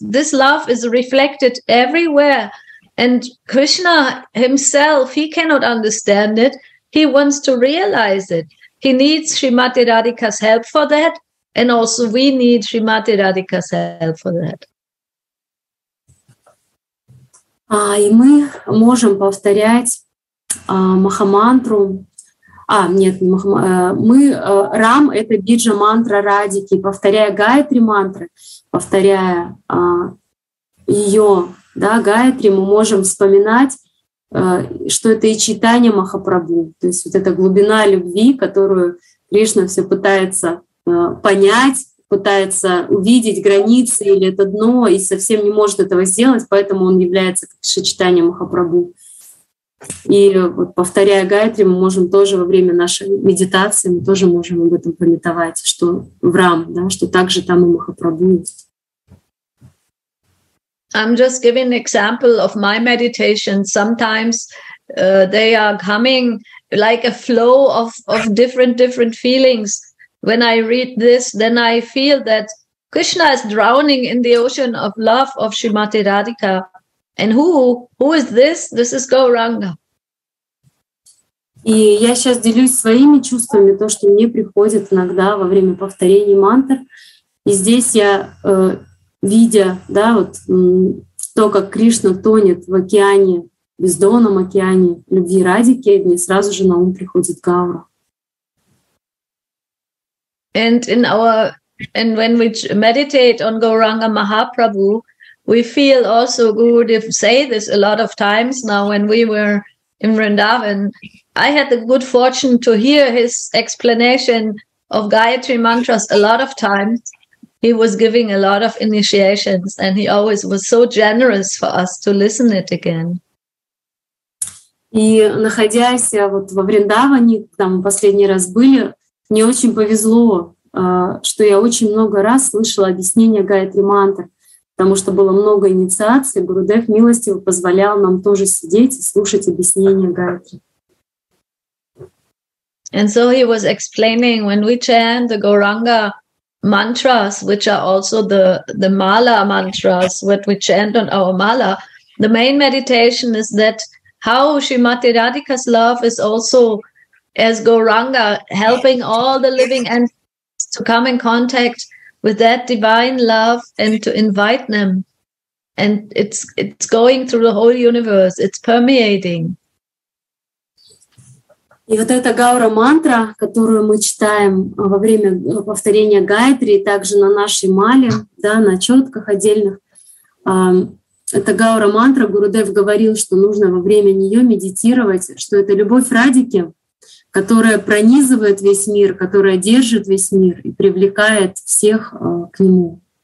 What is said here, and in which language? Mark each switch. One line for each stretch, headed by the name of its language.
English: This love is reflected everywhere. And Krishna himself, he cannot understand it. He wants to realize it. He needs Srimati Radhika's help for that. And also we need Srimati Radhika's help for that.
Russian: И мы можем повторять Махамантру. Рам — это биджа-мантра Радики. Повторяя Гайатри-мантры, повторяя ее, да, Гайатри, мы можем вспоминать, что это и читание Махапрабху, то есть вот эта глубина любви, которую Кришна все пытается понять, пытается увидеть границы или это дно, и совсем не может этого сделать, поэтому он является сочетанием Махапрабху. И вот, повторяя Гайатри, мы можем тоже во время нашей медитации, мы тоже можем об этом памятовать, что в Рам, да, что также там и Махапрабху есть.
English: I'm just giving an example of my meditation. Sometimes they are coming like a flow of different feelings. When I read this, then I feel that Krishna is drowning in the ocean of love of Srimati Radhika. And who is this? This is Gauranga.
Russian: И я сейчас делюсь своими чувствами, то, что мне приходит иногда во время повторения мантр. И здесь я... видя, да, вот то, как Кришна тонет в океане, бездонном океане любви Радики, мне сразу же на ум приходит Гаура.
English: And in our and when we meditate on Gauranga Mahaprabhu, we feel also Gurudev say this a lot of times now when we were in Vrindavan. I had the good fortune to hear his explanation of Gayatri mantras a lot of times. He was giving a lot of initiations, and he always was so generous for us to listen it again.
Russian: И находясь вот во Вриндаване, там последний раз были, мне очень повезло, что я очень много раз слышала объяснение Гаятри мантры, потому что было много инициаций, Гурудев милостиво позволял нам тоже сидеть и слушать объяснение Гаятри.
English: And so he was explaining when we chant the Gauranga mantras, which are also the mala mantras, what we chant on our mala, the main meditation is that how Srimati Radhika's love is also as Gauranga, helping all the living entities to come in contact with that divine love and to invite them. And it's going through the whole universe, it's permeating.
Russian: И вот эта Гаура-мантра, которую мы читаем во время повторения Гайатри, также на нашей мале, да, на четках отдельных, эта Гаура-мантра, Гурудев говорил, что нужно во время нее медитировать, что это любовь Радики, которая пронизывает весь мир, которая держит весь мир и привлекает всех к нему.